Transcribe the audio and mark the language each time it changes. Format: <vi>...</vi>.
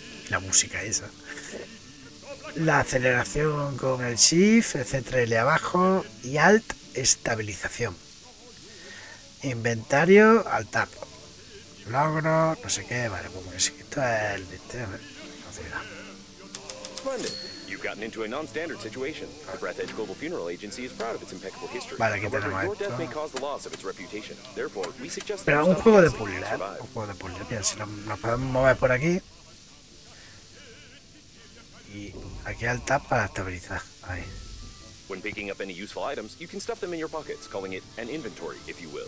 <es>La música esa. La aceleración con el Shift, el centro L abajo. Y Alt, estabilización. Inventario al tap. Logro, no sé qué, vale, como que esto es el de este. No sé nada.</es> <en>You've gotten into a non-standard situation. The Breath Edge Global Funeral Agency is proud of its impeccable history.</en> <es>Vale, aquí tenemos esto.</es> <en>Your death may cause the loss of its reputation. Therefore, we suggest that.</en> <es>Pero un juego de puzzle, ¿eh? Un juego de puzzle. Bien, si nos podemos mover por aquí. Y aquí al tap para estabilizar. Ahí.</es> <en>When picking up any useful items, you can stuff them in your pockets, calling it an inventory, if you will.</en>